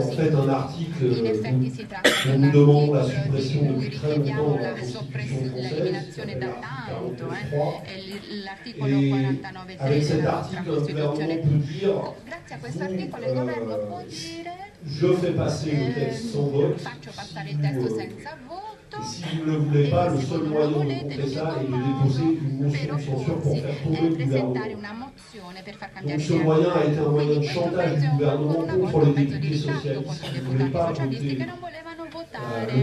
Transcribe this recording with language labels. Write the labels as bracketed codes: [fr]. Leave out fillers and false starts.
[it] In effetti si tratta di un articolo di cui richiediamo l'eliminazione da tanto, l'articolo 49.3 della nostra Costituzione. Grazie a questo articolo il governo può dire: [fr] je fais passer le texte sans vote. [it] Faccio passare il testo senza voto. [fr] Si vous ne voulez pas, le seul moyen de faire ça est de déposer une motion de censure pour faire tomber le gouvernement. Donc ce moyen a été un moyen de chantage du gouvernement contre les députés socialistes qui ne voulaient pas voter